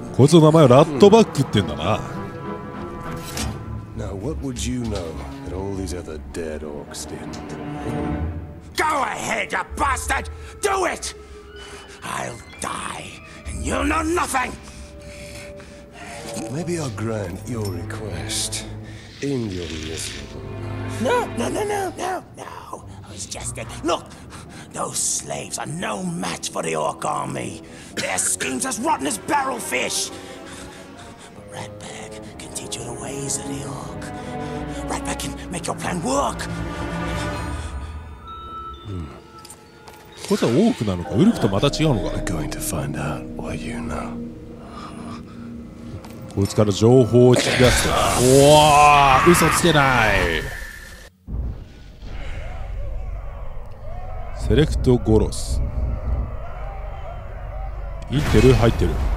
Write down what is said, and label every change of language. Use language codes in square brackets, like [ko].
[ja] こいつの名前はラットバックってんだな。 [en] Now, what would you know that all these other dead orcs did? Go ahead, you bastard! Do it! I'll die, and you'll know nothing! Maybe I'll grant your request in your miserable life. No. I was jesting. Look, those slaves are no match for the orc army. Their schemes as rotten as barrel fish. But Ratbag can teach you the ways of the orc. Ratbag can make your plan work. [ja] これはオークなのか、ウルクとまた違うのか。 [en] I'm going to find out what you know. [ja] こいつから情報を聞き出す。おわぁ、嘘つけない。セレクトゴロス、インテル入ってる。